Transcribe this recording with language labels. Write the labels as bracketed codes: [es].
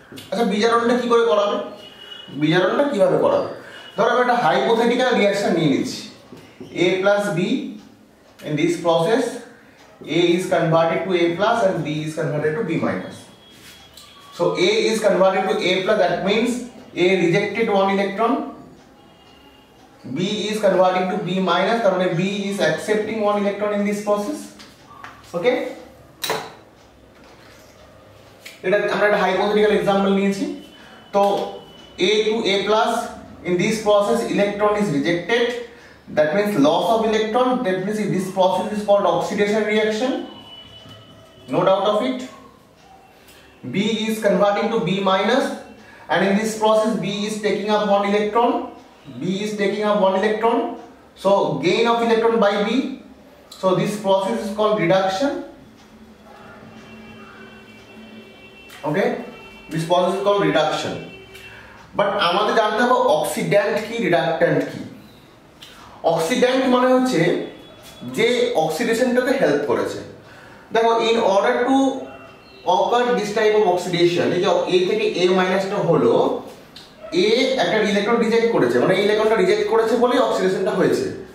[bn] আচ্ছা বিজারণটা কি করে করাবে, বিজারণটা কিভাবে করাবে? ধরো আমি একটা হাইপোথেটিক্যাল রিয়াকশন নিয়ে নিচ্ছি, এ plus B, [en] In this process A is converted to A plus and B is converted to B minus. So A is converted to A plus, that means A rejected one electron. B is converting to B minus, because B is accepting one electron in this process. Okay? Let us take a hypothetical example. So A to A plus, in this process electron is rejected. That means loss of electron. That means this process is called oxidation reaction. No doubt of it. B is converting to B minus, and in this process B is taking up one electron. B is taking up one electron. So gain of electron by B. So this process is called reduction. Okay, this process is called reduction. [bn] But আমাদের জানতে হবে oxidant কি reductant কি. Oxidant মানে হচ্ছে যে অক্সিডেশনটাকে help করেছে. দেখো, [en] in order to occur this type of oxidation, [bn] এই যে A থেকে A মাইনাসটা হলো, A একটা ইলেকট্রন রিজেক্ট করেছে, মানে ইলেকট্রনটা রিজেক্ট করেছে বলেই অক্সিডেশনটা হয়েছে.